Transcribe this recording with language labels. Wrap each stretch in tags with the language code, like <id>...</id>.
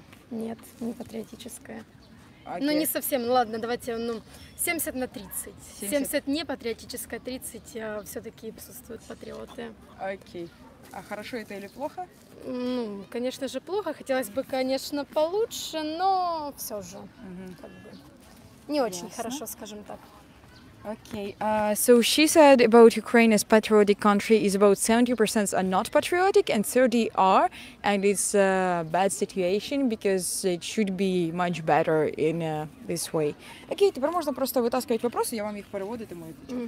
<ru>Нет, не патриотическая. Okay. Ну, не совсем. Ладно, давайте, ну, 70 на 30. 70, 70 не патриотическая, 30 все-таки присутствуют патриоты. Окей. А хорошо это или плохо? Ну, конечно же, плохо. Хотелось бы, конечно, получше, но все же. Uh-huh. Как бы. Не очень хорошо, скажем так.</ru> <en>Okay, so she said about Ukraine as patriotic country is about 70% are not patriotic and 30 are, and it's a bad situation because it should be much better in this way.</en> <uk>Okay, тепер можна просто витаскувати вопроси, я вам їх переводити, мої почекаю.</uk>